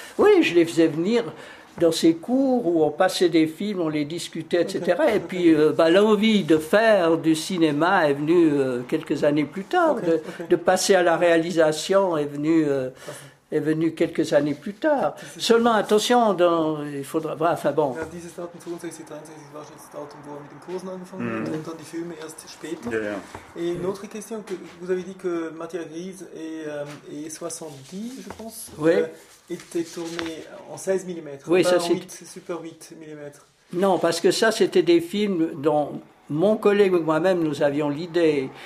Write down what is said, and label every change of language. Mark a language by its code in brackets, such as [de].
[fr] Oui, je les faisais venir dans ces cours où on passait des films, on les discutait, etc. Et puis, l'envie de faire du cinéma est venue quelques années plus tard. De passer à la réalisation est venue quelques années plus tard. Seulement, attention, il faudra. [de] Ja, dieses Datum 62, 63, war schon das Datum, wo er mit den Kursen angefangen hat, und dann die Filme erst später. Ja, ja. [fr] Et une autre question, que vous avez dit que Matière Grise et 70, je pense. Oui. Était tourné en 16 mm, oui, pas ça, en 8, super 8 mm. Non, parce que ça, c'était des films dont mon collègue et moi-même, nous avions l'idée.